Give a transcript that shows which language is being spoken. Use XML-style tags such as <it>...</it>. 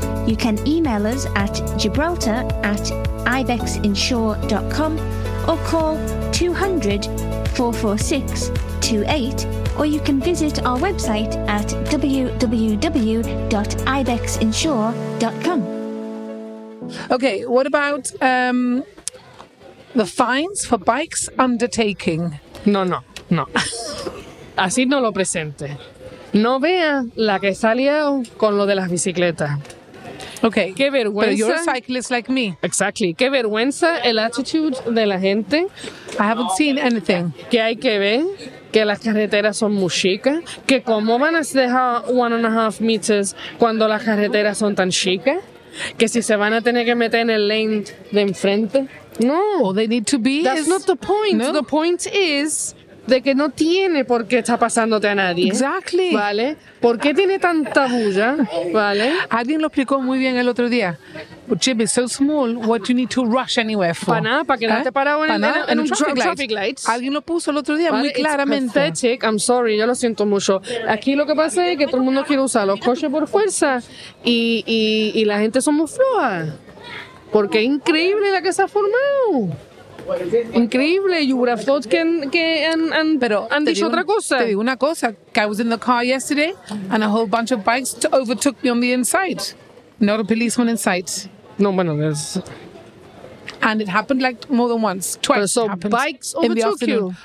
<en>You can email us at gibraltar@ibexinsure.com or call 200-446-28. Or you can visit our website at www.ibexinsure.com. Okay, what about the fines for bikes undertaking?</en> <es>No. Así no lo presente. No vea la que salió con lo de las bicicletas.</es> <en>Okay,</en> <es>qué vergüenza.</es> <en>But you're a cyclist like me. Exactly.</en> <es>Qué vergüenza el attitude de la gente.</es> <en>I haven't seen anything.</en> <es>Que hay que ver... Que las carreteras son muy chicas. Que cómo van a dejar 1.5 meters cuando las carreteras son tan chicas. Que si se van a tener que meter en el lane de enfrente. No.</es> <en>All they need to be That's is... not the point. No. The point is...</en> <es>De que no tiene por qué estar pasándote a nadie.</es> <en>Exactly.</en> <es>¿Vale? ¿Por qué tiene tanta bulla? ¿Vale? Alguien lo explicó muy bien el otro día.</es> <en>Jib is so small, what you need to rush anywhere for?</en> <es>Para nada, para que no te parado en un traffic light. Alguien lo puso el otro día, ¿vale? Muy claramente.</es> <en>It's pathetic. I'm sorry,</en> <es>yo lo siento mucho. Aquí lo que pasa es que todo el mundo quiere usar los coches por fuerza y la gente son muy floja. Porque es increíble la que se ha formado. Increíble,</es> <en>you would have thought</en> <es>Te digo una cosa,</es> <en>I was in the car yesterday and a whole bunch of bikes overtook me on the inside. Not a policeman in sight.</en> <es>No, bueno,</es> <en>there's And it happened like more than once, twice. So bikes overtook you.</en>